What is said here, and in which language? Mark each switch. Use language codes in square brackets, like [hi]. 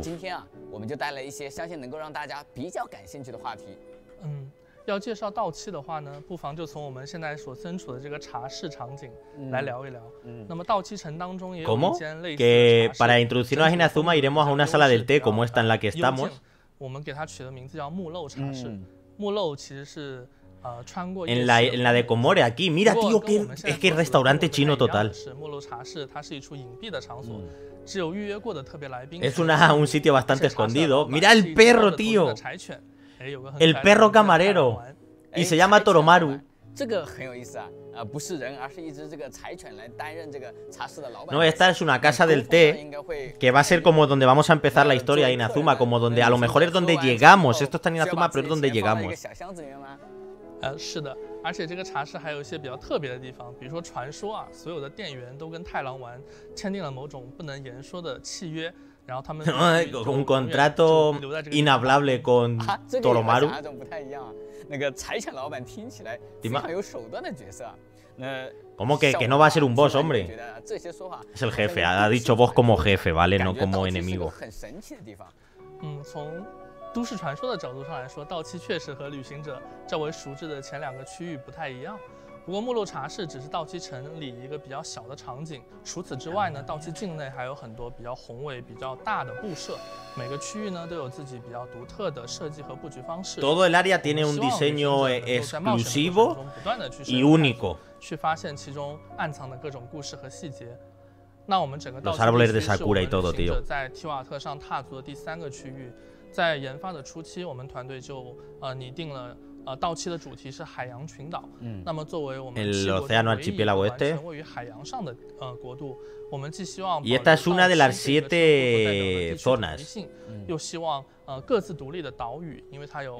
[zh] 今天啊，我们就带来一些相信能够让大家比较感兴趣的话题。嗯，要介绍稻妻的话呢，不妨就从我们现在所身处的这个茶室场景来聊一聊。嗯。那么稻妻城当中也有一间类似的茶室。 [es] Que para introducirnos a Inazuma iremos a una sala del té como esta en la que estamos. [zh] 我们给它取的名字叫木漏茶室。木漏其实是穿过 [es] en la de Komore aquí. Mira, tío, que es que restaurante chino total. [zh] 是木漏茶室，它是一处隐蔽的场所，只有预约过的特别来宾。 [es] Es un sitio bastante escondido. Mira el perro, tío. El perro camarero. Y se llama Toromaru. [zh] 这个很有意思啊，不是人，而是一只这个柴犬来担任这个茶室的老板。 [es] No, esta es una casa del té que va a ser como donde vamos a empezar la historia de Inazuma, como donde a lo mejor es donde llegamos. Esto está en Inazuma, pero es donde llegamos. [zh] 是的，而且这个茶室还有一些比较特别的地方，比如说传说啊，所有的店员都跟太郎丸签订了某种不能言说的契约。然后他们 [es] un contrato inhablable con Toromaru. [zh] 这个有不太一样啊，那个柴犬老板听起来非常有手段的角色。那 [es] como que no va a ser un boss, hombre. Es el jefe, ha dicho boss como jefe, vale, no como enemigo. [zh] 很神奇的地方。嗯，从都市传说的角度上来说，稻妻确实和旅行者较为熟知的前两个区域不太一样。不过木漏茶室只是稻妻城里一个比较小的场景，除此之外呢，稻妻境内还有很多比较宏伟比较大的布设，每个区域呢都有自己比较独特的设计和布局方式。 [es] Todo el área tiene un diseño exclusivo y único， [zh] 去发现其中暗藏的各种故事和细节。那我们整个稻妻地区是我们旅行者在提瓦特上踏足的第三个区域。在研发的初期，我们团队就拟定了稻妻的主题是海洋群岛。那么作为我们 [es] el océano archipiélago este， [zh] 完全位于海洋上的国度，我们既希望 [es] y esta es una de las siete zonas， [zh] 又希望各自独立的岛屿，因为它有